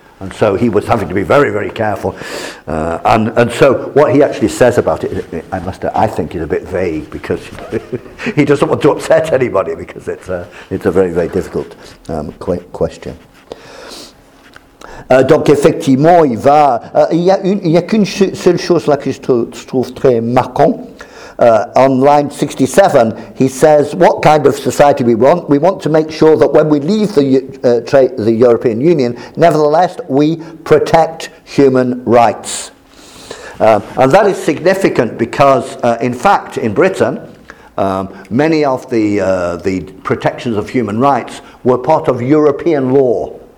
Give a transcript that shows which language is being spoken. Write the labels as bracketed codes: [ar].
[en] And so he was having to be very, very careful. And so what he actually says about it, I think it's a bit vague because he doesn't want to upset anybody because it's a very, very difficult question. [fr] Donc effectivement, il va... Il y a qu'une seule chose là que je trouve très marquant. [en] On line 67, he says, what kind of society we want? We want to make sure that when we leave the European Union, nevertheless, we protect human rights. And that is significant because, in fact, in Britain, many of the protections of human rights were part of European law.